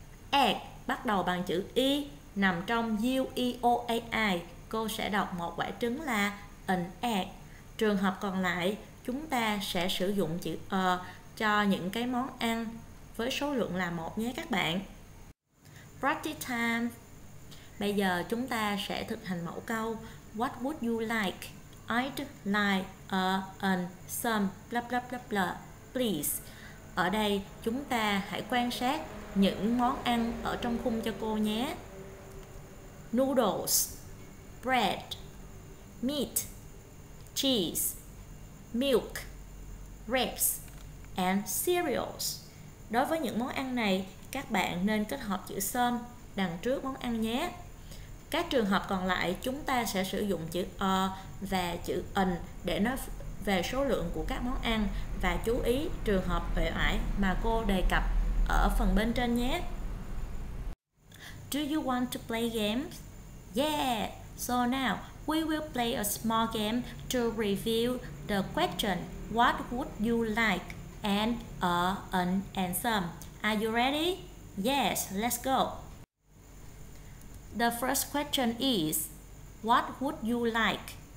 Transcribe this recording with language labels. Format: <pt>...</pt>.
<vi>Egg bắt đầu bằng chữ e, nằm trong u, e, o, a, i, cô sẽ đọc một quả trứng là an egg. Trường hợp còn lại, chúng ta sẽ sử dụng chữ a cho những cái món ăn với số lượng là một nhé các bạn.</vi> <en>Practice time.</en> <vi>Bây giờ chúng ta sẽ thực hành mẫu câu.</vi> <en>What would you like? I'd like a and some blah blah blah blah, please.</en> <vi>Ở đây chúng ta hãy quan sát những món ăn ở trong khung cho cô nhé.</vi> <en>Noodles, bread, meat, cheese, milk, ribs and cereals.</en> <vi>Đối với những món ăn này, các bạn nên kết hợp chữ some đằng trước món ăn nhé. Các trường hợp còn lại, chúng ta sẽ sử dụng chữ a và chữ an để nói về số lượng của các món ăn và chú ý trường hợp uể oải mà cô đề cập ở phần bên trên nhé.</vi> <en>Do you want to play games? Yeah! So now, we will play a small game to review the question, what would you like? And a, an, and some. Are you ready? Yes, let's go. The first question is, what would you like?</en>